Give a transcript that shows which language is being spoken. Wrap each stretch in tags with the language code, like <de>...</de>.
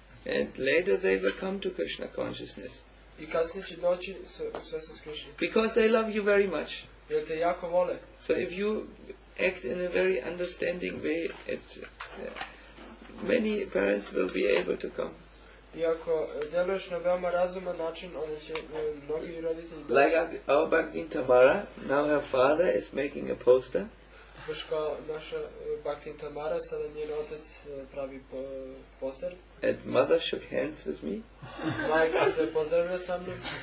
<en>And later they will come to Krishna consciousness.</en> <sr>I kasnije će doći svesnost Krishne.</sr> <en>Because they love you very much.</en> <sr>Jer te jako vole.</sr> <en>So if you act in a very understanding way, many parents will be able to come.</en> <sr>I ako deluješ na veoma razuman način, onda će mnogi roditelji doći.</sr> <en>Like our Bhakti Tamara, now her father is making a poster.</en> <sr>Baš kao naša Bhakti Tamara, sada njen otec pravi poster.</sr> <en>And mother shook hands with me.</en> <sr>Majka se pozdravila sa mnom.</sr>